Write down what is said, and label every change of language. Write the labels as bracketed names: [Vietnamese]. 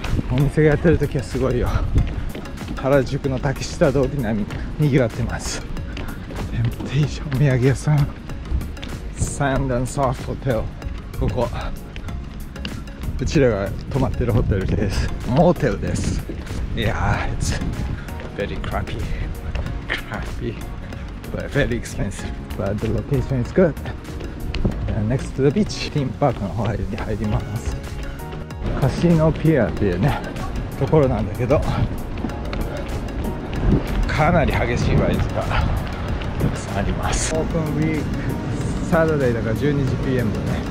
[Japanese] お店がやってる時はすごいよ、原宿の竹下通り並みにぎわってます。テンプテーションお土産屋さん、サンダンソフトホテル、ここうちらが泊まってるホテルです、モーテルです。 [English] いやー、It's very crappy. Crappy. But very expensive. But the location is good. And next to the beach. [Japanese] ティンパークの方に入ります。カシノピアっていうね、ところなんだけど、かなり激しいバイトがたくさんあります。オープンウィーク、サタデーだから12時 PM だね。